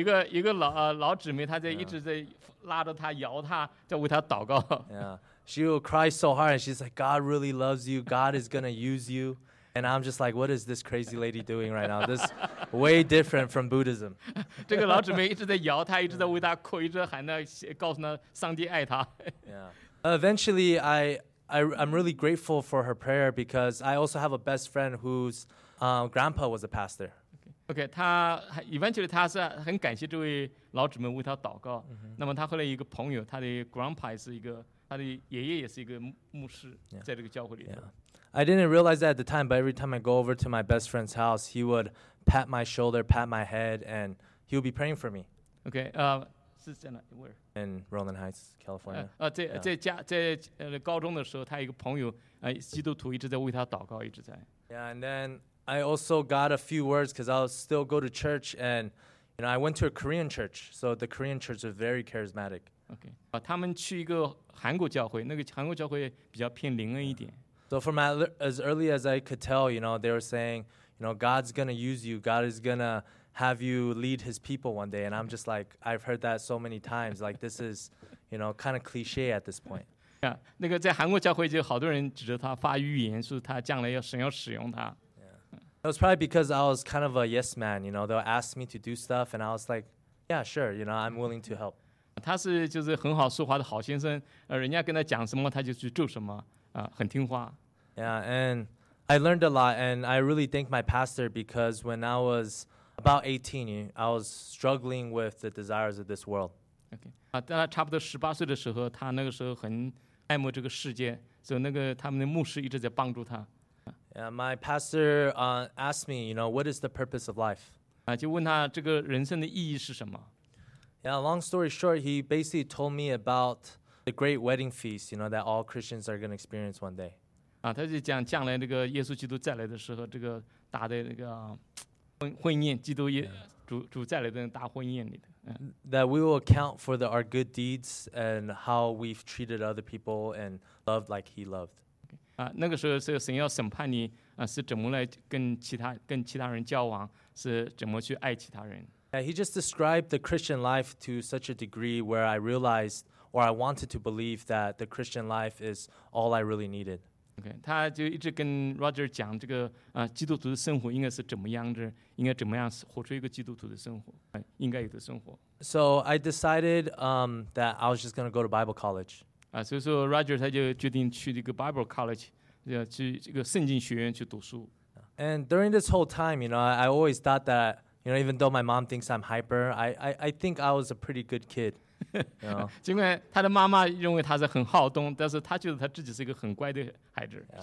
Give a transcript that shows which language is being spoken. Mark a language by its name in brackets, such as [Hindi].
[Chinese] 一个老姊妹，她在一直在拉着她摇她，在为她祷告。 [English] Yeah, she will cry so hard. And she's like, God really loves you. God is gonna use you. And I'm just like, what is this crazy lady doing right now? This way different from Buddhism. [Chinese] 这个老姊妹一直在摇她，一直在为她哭，一直喊她，告诉她上帝爱她。 [English] Yeah, eventually I'm really grateful for her prayer because I also have a best friend whose grandpa was a pastor. [Chinese] Okay, 他 eventually 他是很感谢这位老姊妹为他祷告。那么他后来一个朋友，他的 grandpa 也是一个，他的爷爷也是一个牧师，在这个教会里头。 [English] I didn't realize that at the time, but every time I go over to my best friend's house, he would pat my shoulder, pat my head, and he would be praying for me. Okay, where? In Roland Heights, California. [Chinese] 在高中的时候，他一个朋友，基督徒一直在为他祷告，一直在。 [English] Yeah, and then I also got a few words because I'll still go to church, and you know, I went to a Korean church, so the Korean church is very charismatic. [Chinese] Okay, 他们去一个韩国教会，那个韩国教会比较偏灵恩一点。 [English] So from as early as I could tell, you know, they were saying, you know, God's going to use you. God is going to have you lead his people one day. And I'm just like, I've heard that so many times. Like, this is, you know, kind of cliche at this point. [Chinese] Yeah, 那个在韩国教会就好多人指着他发预言，说他将来要神要使用他。 [English] Yeah. It was probably because I was kind of a yes man, you know, they'll ask me to do stuff. And I was like, yeah, sure, you know, I'm willing to help. [Chinese] 他是就是很好说话的好先生，人家跟他讲什么，他就去做什么。很听话。 [English] Yeah, and I learned a lot, and I really thank my pastor because when I was about 18, I was struggling with the desires of this world. Okay. [Chinese] 在他差不多十八岁的时候，他那个时候很爱慕这个世界，所以那个他们的牧师一直在帮助他。 [English] Yeah, my pastor asked me, you know, what is the purpose of life? [Chinese] 就问他这个人生的意义是什么。 [English] Yeah, long story short, he basically told me about the great wedding feast, you know, that all Christians are going to experience one day. [Chinese] 啊，他就讲将来那个耶稣基督再来的时候，这个大的那个婚宴，基督耶主再来的大婚宴里的。 [English] That we will account for our good deeds and how we've treated other people and loved like He loved. [Chinese] 啊，那个时候是神要审判你啊，是怎么来跟其他人交往，是怎么去爱其他人。 [English] Yeah, he just described the Christian life to such a degree where I realized. Or I wanted to believe that the Christian life is all I really needed. [Chinese] Okay, 他就一直跟 Roger 讲这个啊，基督徒的生活应该是怎么样的，应该怎么样活出一个基督徒的生活，应该有的生活。 [English] So I decided that I was just going to go to Bible college. [Chinese] 啊，所以说 Roger 他就决定去这个 Bible college， 去这个圣经学院去读书。 [English] And during this whole time, you know, I always thought that, you know, even though my mom thinks I'm hyper, I think I was a pretty good kid. You know? [Chinese] 尽管他的妈妈认为他是很好动，但是他觉得他自己是一个很乖的孩子， yeah.